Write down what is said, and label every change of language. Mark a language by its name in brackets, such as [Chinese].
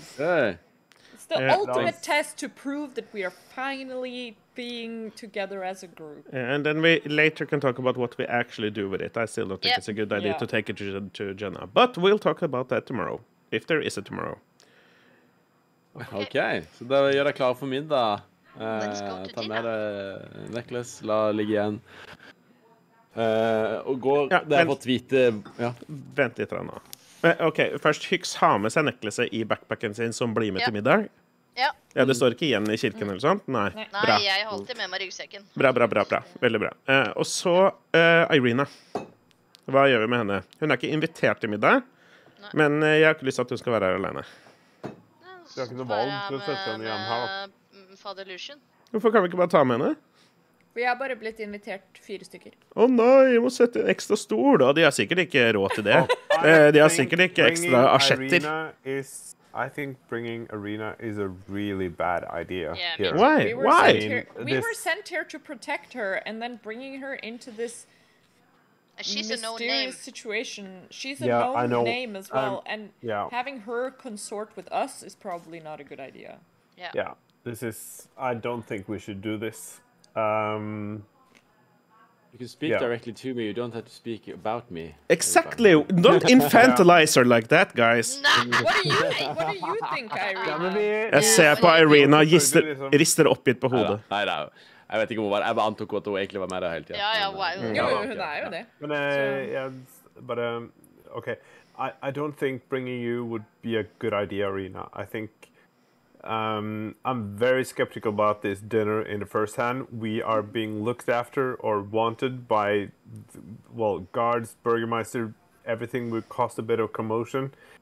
[English] Yeah. It's the ultimate test to prove that we are finally being together as a group. Yeah, and then we later can talk about what we actually do with it. I still don't think it's a good idea to take it to Jenna. But we'll talk about that tomorrow, if there is a tomorrow. Okay. [Norwegian] Så da gjør jeg klar for middag. Ta med deg necklace, la ligge igjen. Og gå, det har fått vite... Ja. Vent litt nå. Ok, først Hyx har med seg necklace i backpacken sin som blir med til middag. Ja. Ja, det står ikke igjen i kirken eller sånt. Nei, bra. Nei, jeg holdt det med meg ryggsekken. Bra. Veldig bra. Og så Irina. Hva gjør vi med henne? Hun ikke invitert til middag, men jeg har ikke lyst til at hun skal være her alene. Du har ikke noe valg til å sette henne igjen her. Fader Lucien. Hvorfor kan vi ikke bare ta med henne? Vi har bare blitt invitert 4 stykker. Å nei, vi må sette en ekstra stol da. De har sikkert ikke råd til det. De har sikkert ikke ekstra asjetter. [English] I think bringing Irina is a really bad idea. Yeah, why? Why? We were sent here to protect her, and then bringing her into this She's a known situation. She's a known name as well, and having her consort with us is probably not a good idea. Yeah. Yeah. This is. I don't think we should do this. You can speak directly to me. You don't have to speak about me. Exactly. Don't infantilize her like that, guys. Nah. What do you think, Irina? [Norwegian] Jeg ser på Irina, rister oppgitt på hodet. Nei, da. Jeg vet ikke om hun var, jeg bare antok at hun egentlig var med der hele tiden. Ja, hun er jo det. [English] Men I don't think bringing you would be a good idea, Irina. I think I'm very skeptical about this dinner in the first hand. We are being looked after or wanted by, well, guards, burgermeister, everything would cause a bit of commotion.